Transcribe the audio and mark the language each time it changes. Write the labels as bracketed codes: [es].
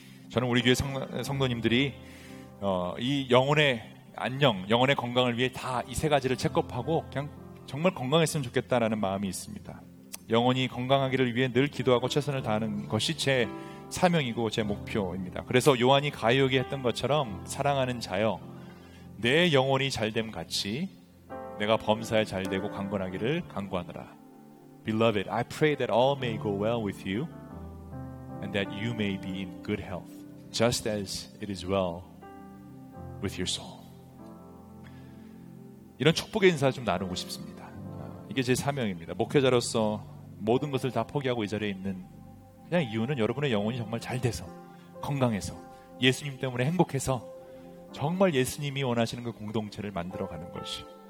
[ko] 저는 우리 교회 성도님들이 이 영혼의 안녕, 영혼의 건강을 위해 다 이 세 가지를 체크업하고 그냥 정말 건강했으면 좋겠다라는 마음이 있습니다. 영혼이 건강하기를 위해 늘 기도하고 최선을 다하는 것이 제 사명이고 제 목표입니다. 그래서 요한이 가이오에게 했던 것처럼 사랑하는 자여 내 영혼이 잘됨 같이 내가 범사에 잘되고 강건하기를 간구하느라. [en] Beloved, I pray that all may go well with you and that you may be in good health just as it is well with your soul. [ko] 이런 축복의 인사 좀 나누고 싶습니다. 이게 제 사명입니다. 목회자로서 모든 것을 다 포기하고 이 자리에 있는 그냥 이유는 여러분의 영혼이 정말 잘 돼서 건강해서 예수님 때문에 행복해서 정말 예수님이 원하시는 그 공동체를 만들어가는 것이.